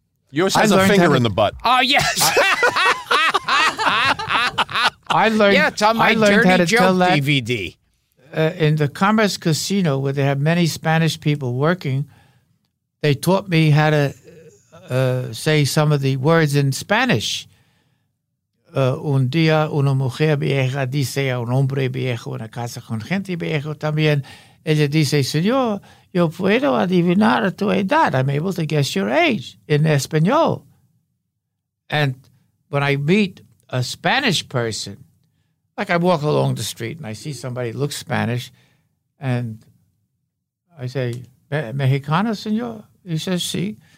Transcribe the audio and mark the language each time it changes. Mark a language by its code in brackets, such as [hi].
[en] Yours has a finger in the butt. Oh, yes. I learned how to tell that DVD. In the Commerce Casino, where they have many Spanish people working, they taught me how to... say some of the words in Spanish. [es] Un día una mujer vieja dice a un hombre viejo en la casa con gente viejo también. Ella dice, señor, yo puedo adivinar tu edad. [en] I'm able to guess your age in español. And when I meet a Spanish person, like I walk along the street and I see somebody looks Spanish, and I say, [es] Mexicano, señor? [en] He says, sí.